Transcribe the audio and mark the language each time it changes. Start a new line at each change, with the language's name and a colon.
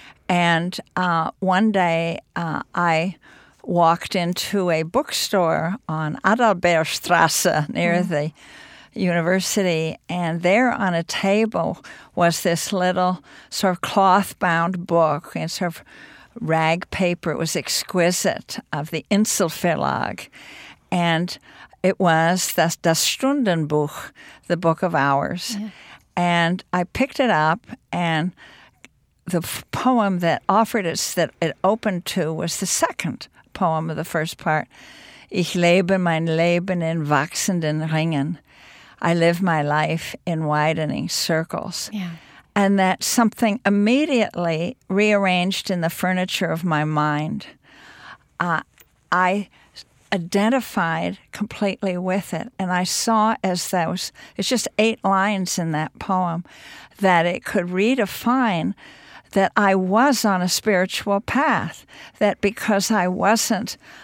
English: And one day I walked into a bookstore on Adalbertstrasse near the university, and there on a table was this little sort of cloth-bound book and sort of rag paper. It was exquisite, of the Insel Verlag. And it was Das Stundenbuch, the Book of Hours. Yeah. And I picked it up, and the poem that offered us, that it opened to, was the second poem of the first part.
German: Ich lebe mein Leben in wachsenden Ringen.
English: I live my life in widening circles. Yeah. And that something immediately rearranged in the furniture of my mind. I identified completely with it. And I saw it's just eight lines in that poem, that it could redefine that I was on a spiritual path, that because I wasn't